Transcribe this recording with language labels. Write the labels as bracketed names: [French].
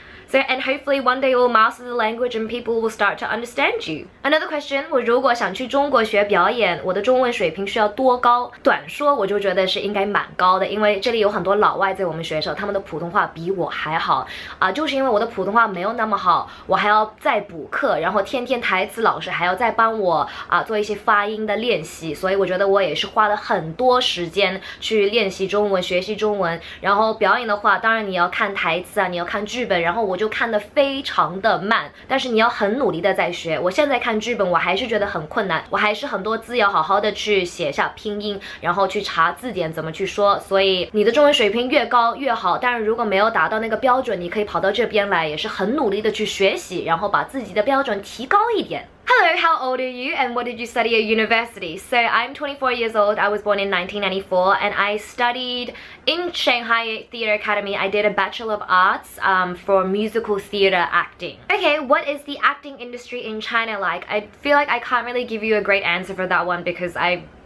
[English] So, and hopefully one day you'll master the language and people will start to understand you. Another question, [Chinese] 我如果想去中国学表演，我的中文水平需要多高？短说，我就觉得是应该蛮高的，因为这里有很多老外在我们学校，他们的普通话比我还好。就是因为我的普通话没有那么好，我还要再补课，然后天天台词老师还要再帮我做一些发音的练习，所以我觉得我也是花了很多时间去练习中文，学习中文，然后表演的话，当然你要看台词啊，你要看剧本，然后 我就看得非常的慢，但是你要很努力的在学。我现在看剧本，我还是觉得很困难，我还是很多字要好好的去写下拼音，然后去查字典怎么去说。所以你的中文水平越高越好，但是如果没有达到那个标准，你可以跑到这边来，也是很努力的去学习，然后把自己的标准提高一点。 [English] Hello, how old are you and what did you study at university? So I'm 24 years old, I was born in 1994 and I studied in Shanghai Theatre Academy. I did a Bachelor of Arts for musical theatre acting. Okay, what is the acting industry in China like? I feel like I can't really give you a great answer for that one because I